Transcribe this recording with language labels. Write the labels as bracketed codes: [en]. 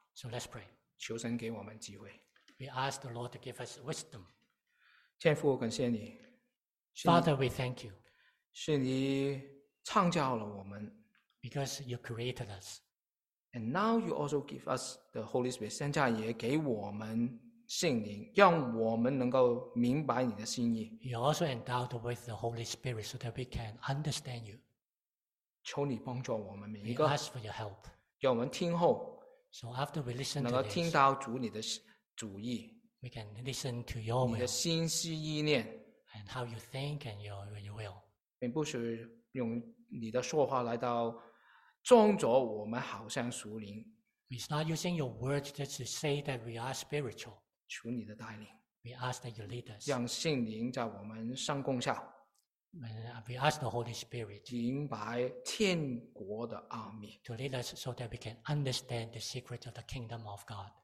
[en] So let's pray. [zh] 求神给我们智慧。 [en] We ask the Lord to give us wisdom. [zh] 天父，感谢你。 [en] Father, we thank you. [zh] 是你创造了我们。 [en] Because you created us. And now you also give us the Holy Spirit. [zh] 现在也给我们圣灵，让我们能够明白你的心意。 [en] You also endowed with the Holy Spirit so that we can understand you. [zh] 求你帮助我们每一个。 [en] We ask for your help. [zh] 让我们听候。 [en] So after we listen to this, [zh] 能够听到主你的主意。 [en] We can listen to your will. [zh] 你的心思意念。 [en] And how you think and your will. [zh] 并不是用你的说话来到装作我们好像属灵。 [en] It's not using your words just to say that we are spiritual. [zh] 求你的带领。 [en] We ask that you lead us. [zh] 让圣灵在我们上功效。 [en] We ask the Holy Spirit. [zh] 明白天国的奥秘。 [en] To lead us so that we can understand the secret of the kingdom of God.